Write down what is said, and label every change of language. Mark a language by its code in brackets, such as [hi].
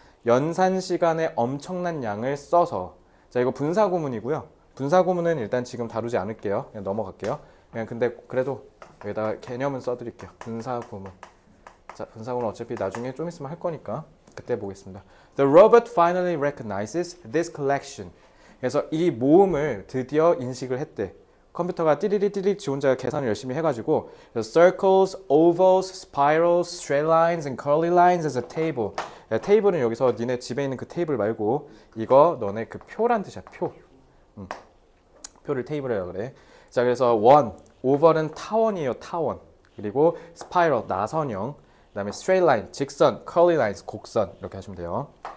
[ko] 연산 시간에 엄청난 양을 써서. 자, 이거 분사 구문이고요. 분사 구문은 일단 지금 다루지 않을게요. 그냥 넘어갈게요. 그냥 근데 그래도 여기다가 개념은 써드릴게요. 분사 구문. 자, 분사 구문 어차피 나중에 좀 있으면 할 거니까 그때 보겠습니다. [en] The robot finally recognizes this collection. [ko] 그래서 이 모음을 드디어 인식을 했대. 컴퓨터가 띠리리 띠리 지 혼자 계산을 열심히 해가지고 [en] The circles, ovals, spirals, straight lines, and curly lines as a table. [ko] 야, 테이블은 여기서 니네 집에 있는 그 테이블 말고 이거 너네 그 표란 뜻이야, 표. 표를 테이블이라고 그래. 자, 그래서 원, 오벌은 타원이에요, 타원. 그리고 스파이럴, 나선형. 그다음에 스트레이트 라인, 직선, 커리 라인, 곡선 이렇게 하시면 돼요.